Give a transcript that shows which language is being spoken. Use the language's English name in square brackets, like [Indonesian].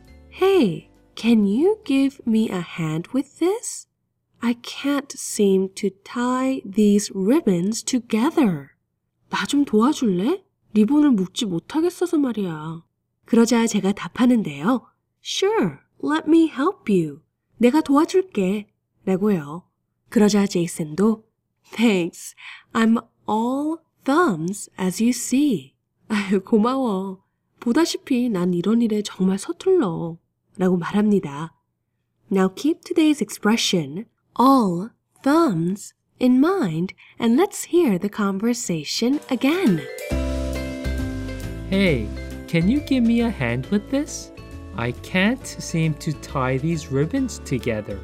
[English] Hey, can you give me a hand with this? I can't seem to tie these ribbons together. [Korean] 나 좀 도와줄래? 리본을 묶지 못하겠어서 말이야. 그러자 제가 답하는데요. [English] Sure, let me help you. [Korean] 내가 도와줄게. 라고요. 그러자 제이슨도 [English] Thanks, I'm all thumbs as you see. [Korean] 아유, 고마워. 보다시피 난 이런 일에 정말 서툴러 라고 말합니다. [English] Now keep today's expression, all thumbs, in mind and let's hear the conversation again. Hey, can you give me a hand with this? I can't seem to tie these ribbons together.